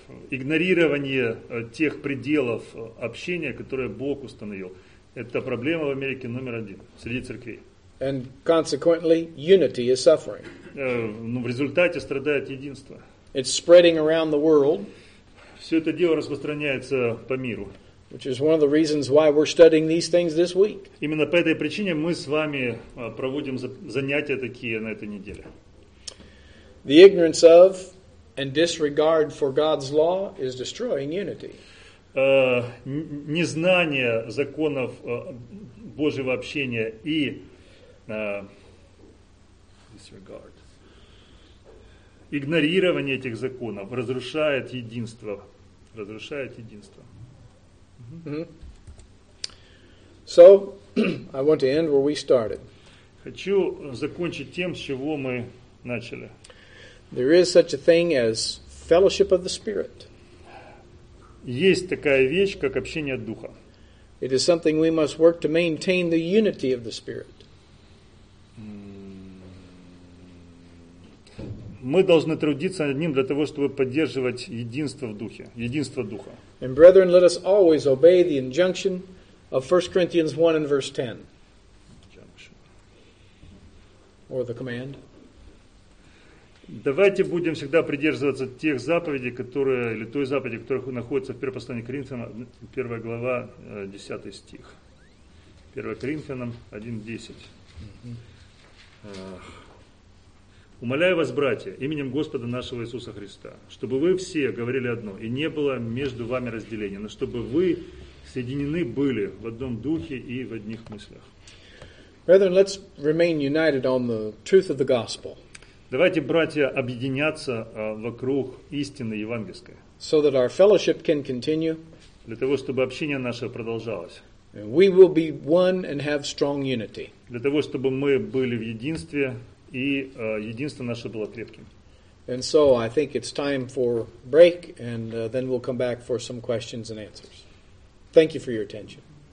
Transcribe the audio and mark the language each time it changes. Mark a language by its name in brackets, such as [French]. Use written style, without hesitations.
[Russian] Игнорирование тех пределов общения, которые Бог установил. Это проблема в Америке номер один среди церквей. [English] And consequently, unity is suffering. [Russian] В результате страдает единство. [English] It's spreading around the world. [Russian] Все это дело распространяется по миру. [English] Which is one of the reasons why we're studying these things this week. [Russian] Именно по этой причине мы с вами проводим занятия такие на этой неделе. [English] The ignorance of and disregard for God's law is destroying unity. [Russian] Незнание законов Божьего общения и disregard. Игнорирование этих законов разрушает единство. Разрушает единство. Mm-hmm. [English] So, I want to end where we started. [Russian] Хочу закончить тем, с чего мы начали. [English] There is such a thing as fellowship of the Spirit. [Russian] Есть такая вещь, как общение Духа. [English] It is something we must work to maintain the unity of the Spirit. [Russian] Мы должны трудиться над ним для того, чтобы поддерживать единство в Духе, единство Духа. [English] And brethren, let us always obey the injunction of 1 Corinthians 1 and verse 10. Injunction. Or the command. [Russian] Давайте будем всегда придерживаться тех заповедей, которые, или той заповеди, которая находится в 1 послании к Коринфянам, 1 глава, 10 стих. 1 Коринфянам 1, 10. Умоляю вас, братья, именем Господа нашего Иисуса Христа, чтобы вы все говорили одно, и не было между вами разделения, но чтобы вы соединены были в одном духе и в одних мыслях. [English] Brethren, let's remain united on the truth of the gospel. [Russian] Давайте, братья, объединяться вокруг истины евангельской. [English] So that our fellowship can continue. [Russian] Для того, чтобы общение наше продолжалось. [English] We will be one and have strong unity. [Russian] Для того, чтобы мы были в единстве, и единство наше было крепким. [English] And so I think it's time for break, and then we'll come back for some questions and answers. Thank you for your attention.